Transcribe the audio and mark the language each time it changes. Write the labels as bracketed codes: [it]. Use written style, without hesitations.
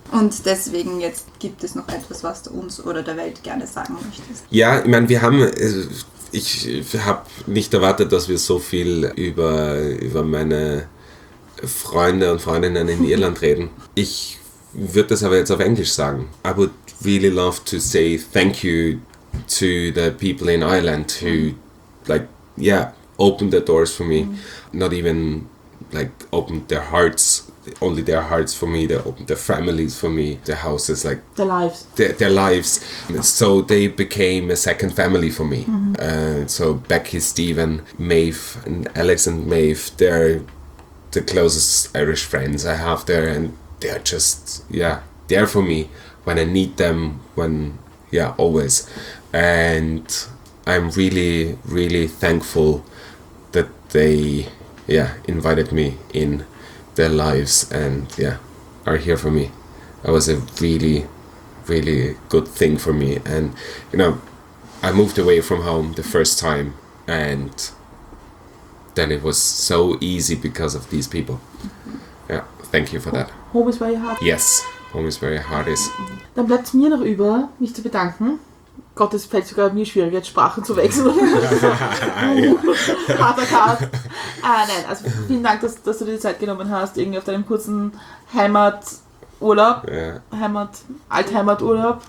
[de] Und deswegen, jetzt gibt es noch etwas, was du uns oder der Welt gerne sagen möchtest. Ja, ich meine, wir haben, ich habe nicht erwartet, dass wir so viel über meine Freunde und Freundinnen in Irland reden. Ich würde das aber jetzt auf Englisch sagen. [en] I would really love to say thank you to the people in Ireland who, like, yeah, opened the doors for me. Not even, like, opened their hearts, only their hearts for me, they opened their families for me, their houses, like... Their lives. So they became a second family for me. So Becky, Stephen, Maeve, and Alex and Maeve, they're the closest Irish friends I have there, and they're just, yeah, there for me when I need them, when, yeah, always. And I'm really, really thankful that they... yeah, invited me in their lives and, yeah, are here for me. That was a really, really good thing for me. And, you know, I moved away from home the first time and then it was so easy because of these people. Yeah, thank you for that. Home is where your heart is. Yes, home is where your heart is. [de] Dann bleibt mir noch über, mich zu bedanken. Gott, es fällt sogar mir schwierig, jetzt Sprachen zu wechseln. nein, also vielen Dank, dass du dir die Zeit genommen hast, irgendwie auf deinem kurzen Heimaturlaub. Ja. Altheimaturlaub.